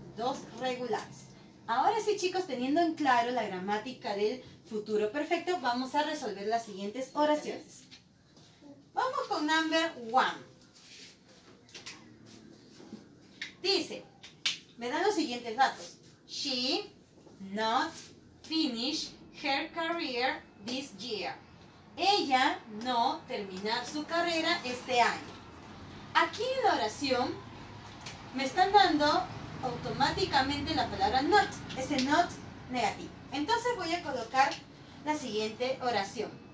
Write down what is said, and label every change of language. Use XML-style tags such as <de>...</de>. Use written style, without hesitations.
<es>dos regulares. Ahora sí, chicos, teniendo en claro la gramática del futuro perfecto, vamos a resolver las siguientes oraciones. Vamos con</es> <en>number one.</en> <es>Dice, me dan los siguientes datos.</es> <en>She not finish her career this year.</en> <es>Ella no termina su carrera este año. Aquí en la oración me están dando automáticamente la palabra not, ese not negativo. Entonces voy a colocar la siguiente oración.</es>